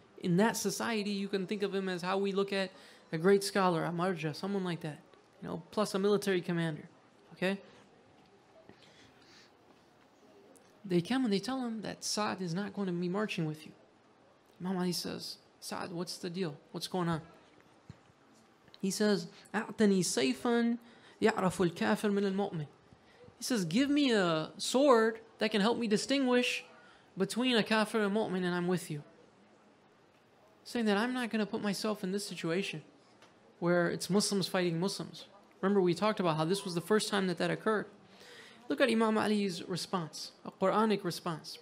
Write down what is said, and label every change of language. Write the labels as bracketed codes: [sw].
[en] In that society, you can think of him as how we look at a great scholar, a marja, someone like that, you know, plus a military commander. Okay? They come and they tell him that Sa'd is not going to be marching with you. Imam Ali says, Sa'd, what's the deal? What's going on? He says, [ar] أَعْتَنِي سَيْفًا يَعْرَفُ الْكَافِرْ مِنَ الْمُؤْمِنِ. [en] He says, give me a sword that can help me distinguish between a kafir and a mu'min, and I'm with you. Saying that I'm not going to put myself in this situation where it's Muslims fighting Muslims. Remember, we talked about how this was the first time that occurred. Look at Imam Ali's response, a Quranic response.